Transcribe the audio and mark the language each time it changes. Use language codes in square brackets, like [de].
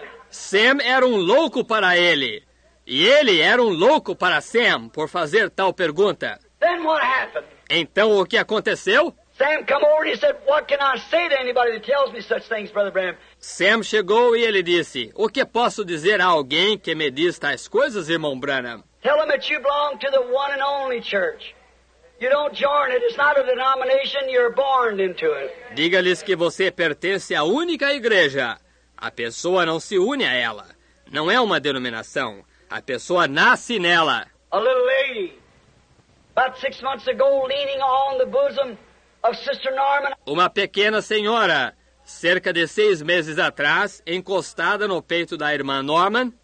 [pt] Sam era um louco para ele. E ele era um louco para Sam por fazer tal pergunta. [en] Then what happened? [pt] Então o que aconteceu? [en] Sam came over and he said, what can I say to anybody that tells me such things, Brother Branham? [pt] Sam chegou e ele disse, o que posso dizer a alguém que me diz tais coisas, irmão Branham? [en] Tell them that you belong to the one and only church. You don't join it. It's not a denomination. You're born into it. [pt] Diga-lhes que você pertence à única igreja. A pessoa não se une a ela. Não é uma denominação. A pessoa nasce nela. [en] A little lady, about 6 months ago, leaning on the bosom of Sister Norman. [pt] Uma pequena senhora, cerca de 6 meses atrás, encostada no peito da irmã Norman.